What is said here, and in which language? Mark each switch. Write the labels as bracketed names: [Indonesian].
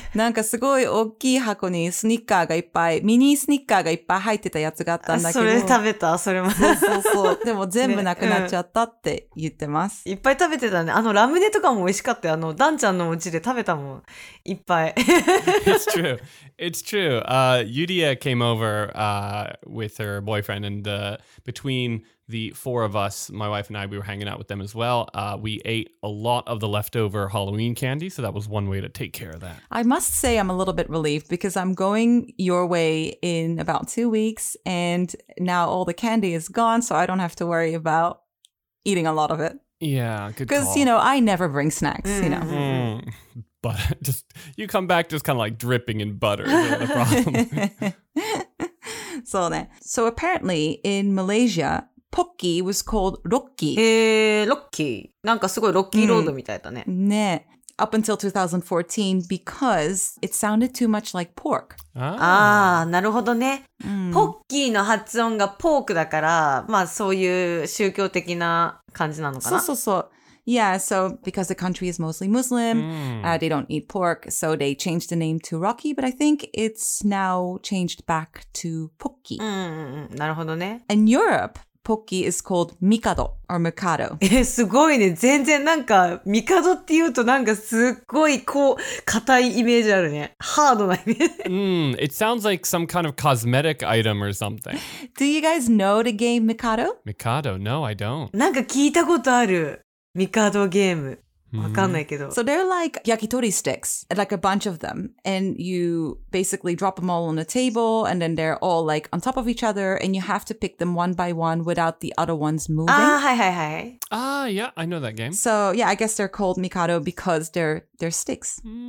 [Japanese] なんかすごい大きい箱にスニッカーがいっぱい、ミニスニッカーがいっぱい入ってたやつがあったんだけど、それ食べた、それも。そう。でも全部なくなっちゃったって言ってます、ね。うん、いっぱい食べてたね。あのラムネとかも美味しかったよ。あのダンちゃんのお家で食べたもん、いっぱい。 [English] It's true. It's true. Yudia came over with her boyfriend and between the four of us, my wife and I, we were hanging out with them as well. We ate a lot of the leftover Halloween candy, so that was one way to take care of that. I must say I'm a little bit relieved because I'm going your way in about 2 weeks, and now all the candy is gone, so I don't have to worry about eating a lot of it. Yeah, good call. Because, you know, I never bring snacks, you know. Mm. But just, you come back just kind of like dripping in butter. Is that the problem? So apparently in Malaysia, Pocky was called Rocky. Rocky. [Japanese] なんかすごいロッキーロードみたいだね。ね。 [English] Up until 2014, because it sounded too much like pork. [Japanese] ああ、なるほどね。ポッキーの発音がポークだから、まあそういう宗教的な感じなのかな。そうそうそう。 [English] Yeah, so because the country is mostly Muslim, they don't eat pork, so they changed the name to Rocky, but I think it's now changed back to Pocky. [Japanese] なるほどね。 [English] In Europe,Pocky is called Mikado or Mikado. [Japanese] すごいね。全然なんか、ミカドって言うとなんかすっごいこう、硬いイメージあるね。ハードなイメージ。 [English] It sounds like some kind of cosmetic item or something. Do you guys know the game Mikado? Mikado? No, I don't. [Japanese] なんか聞いたことある。ミカドゲーム。わかんないけど。 [English] So they're like yakitori sticks, like a bunch of them, and you basically drop them all on a table, and then they're all like on top of each other, and you have to pick them one by one without the other ones moving. Ah, hi, hi, hi. Ah, yeah, I know that game. So yeah, I guess they're called Mikado because they're sticks.